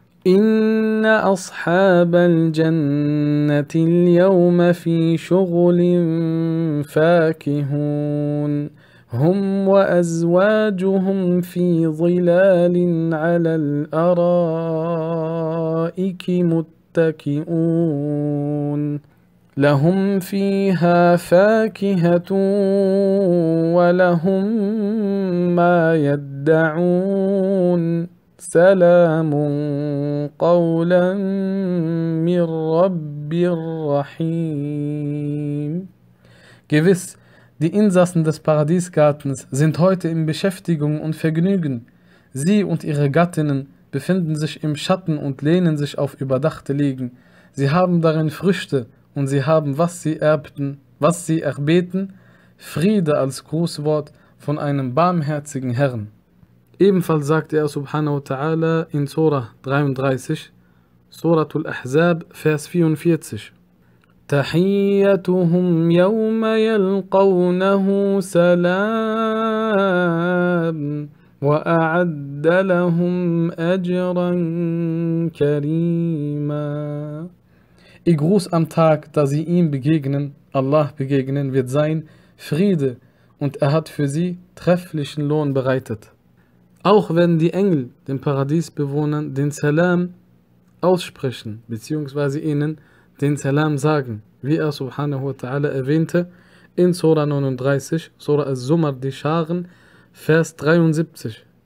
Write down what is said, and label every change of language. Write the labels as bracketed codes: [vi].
[ar] إن أصحاب الجنة اليوم في شغل فاكهون، هم وأزواجهم في ظلال على الأرائك متكئون، لهم فيها فاكهة ولهم ما يدعون، سلام قولا من رب الرحيم. [de] Gewiss, die Insassen des Paradiesgartens sind heute in Beschäftigung und Vergnügen. Sie und ihre Gattinnen befinden sich im Schatten und lehnen sich auf überdachte Liegen. Sie haben darin Früchte und sie haben, was sie erbten, was sie erbeten, Friede als Grußwort von einem barmherzigen Herrn. Ebenfalls sagt er subhanahu wa ta'ala in Surah 33, Suratul Ahzab, Vers 44. [ar] تحيتهم يوم يلقونه سلام وأعد لهم أجرا كريما. [de] Ihr Gruß am Tag, da sie ihm begegnen, Allah begegnen, wird sein Friede, und er hat für sie trefflichen Lohn bereitet. Auch wenn die Engel den Paradiesbewohnern den Salam aussprechen, beziehungsweise ihnen den Salam sagen, wie er subhanahu wa ta'ala erwähnte in Surah 39, Surah Az-Zumar, die Scharen, Vers 73.